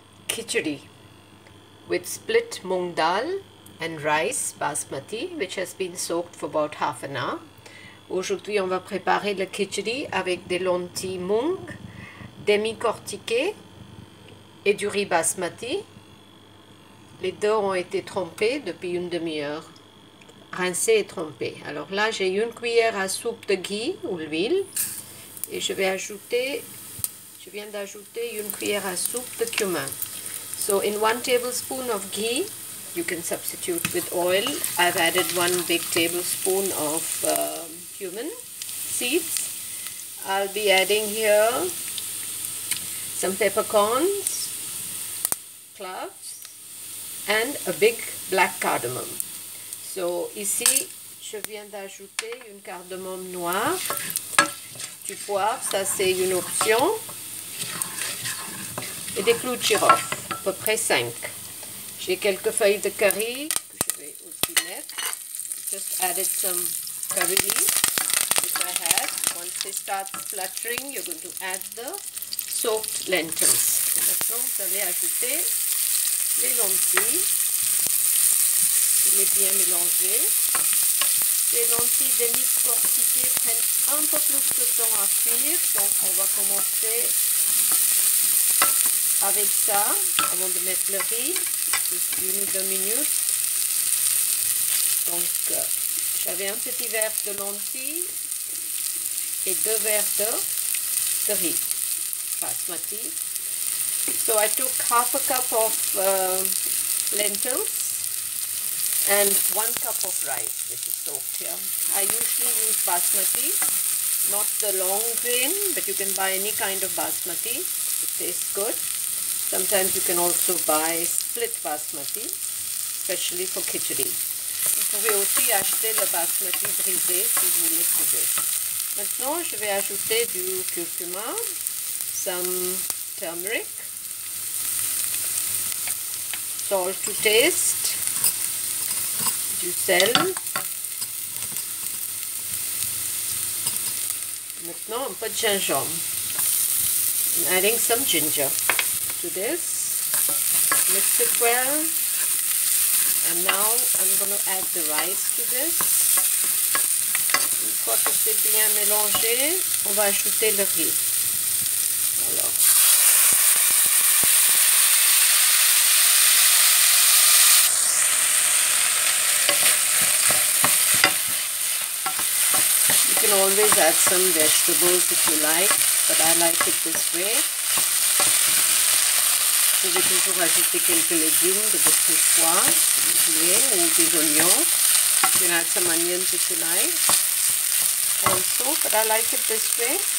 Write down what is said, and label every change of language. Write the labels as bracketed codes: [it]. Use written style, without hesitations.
[en] khichdi with split mung dal and rice basmati, which has been soaked for about half an hour. [fr] Aujourd'hui, on va préparer le khichdi avec des lentilles mung, décortiquées et du riz basmati. Les deux ont été trempés depuis une demi-heure. Rincé et trempé. Alors là, j'ai une cuillère à soupe de ghee ou l'huile et je viens d'ajouter une cuillère à soupe de cumin. [en] So in 1 tablespoon of ghee, you can substitute with oil. I've added 1 big tablespoon of cumin seeds. I'll be adding here some peppercorns, cloves and a big black cardamome. [fr] So ici, je viens d'ajouter une cardamome noire, du poivre, ça c'est une option, et des clous de girofle, à peu près 5. J'ai quelques feuilles de curry que je vais aussi mettre. [en] Just added some curry leaves, which I had. Once they start spluttering, you're going to add the soaked lentils. [fr] Et maintenant, vous allez ajouter les lentilles. Je l'ai bien mélangé. Les lentilles décortiquées prennent un peu plus de temps à cuire, donc on va commencer avec ça avant de mettre le riz. Juste une ou deux minutes. Donc j'avais un petit verre de lentilles et 2 verres de riz basmati. [en] So I took 1/2 cup of lentils. And 1 cup of rice, which is soaked here. I usually use basmati, not the long grain, but you can buy any kind of basmati. It tastes good. Sometimes you can also buy split basmati, especially for khichdi. [fr] Vous pouvez aussi acheter le basmati brisé si vous le trouvez. Maintenant, je vais ajouter du curcuma, [en] some turmeric, salt to taste, [fr] du sel. Maintenant, un peu de gingembre. [en] I'm adding some ginger to this. Mix it well. And now I'm going to add the rice to this. [fr] Une fois que c'est bien mélangé, on va ajouter le riz. [en] You can always add some vegetables if you like, but I like it this way. [fr] Vous pouvez toujours ajouter quelques légumes de votre choix, du poulet ou des oignons. [en] You can add some onions if you like also, but I like it this way.